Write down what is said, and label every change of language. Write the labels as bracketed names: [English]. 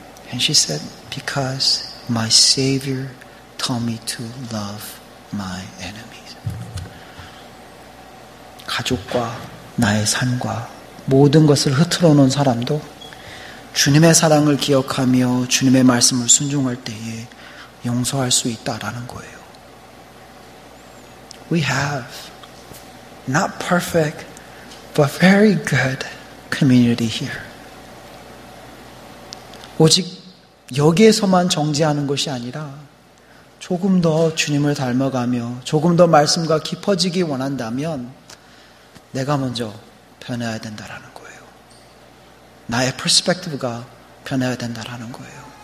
[English] And she said, because my Savior taught me to love my enemies. [Korean] 가족과 나의 삶과 모든 것을 흐트러놓은 사람도 주님의 사랑을 기억하며 주님의 말씀을 순종할 때에 용서할 수 있다라는 거예요. [English] We have not perfect but very good community here. [Korean] 오직 여기에서만 정지하는 것이 아니라 조금 더 주님을 닮아가며 조금 더 말씀과 깊어지기 원한다면 내가 먼저 변해야 된다라는 거예요. 나의 perspective가 변해야 된다라는 거예요.